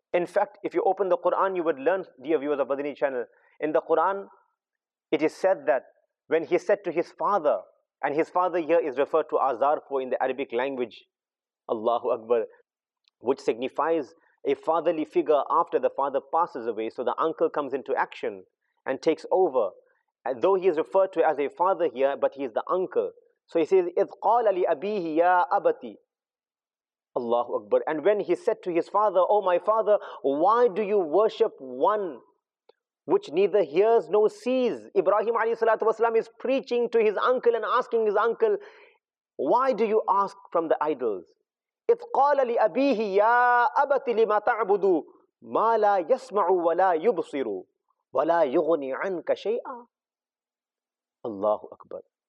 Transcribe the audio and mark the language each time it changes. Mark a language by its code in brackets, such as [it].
[en] In fact, if you open the Quran, you would learn, dear viewers of Madani Channel, in the Quran, it is said that when he said to his father, and his father here is referred to Azar for in the Arabic language, Allahu Akbar, which signifies a fatherly figure after the father passes away, so the uncle comes into action and takes over. And though he is referred to as a father here, but he is the uncle. So he says, [ar] إِذْ قَالَ لِأَبِيهِ يَا أَبَتِي. Allahu Akbar. [en] And when he said to his father, Oh my father, why do you worship one which neither hears nor sees? Ibrahim alayhi salatu wasalam is preaching to his uncle and asking his uncle, why do you ask from the idols? [ar] إِذْ قَالَ لِأَبِيهِ يَا أَبَتِ لِمَا تَعْبُدُ مَا لَا يَسْمَعُ وَلَا يُبْصِرُ وَلَا يُغْنِ عَنْكَ شَيْئًا. Allahu Akbar.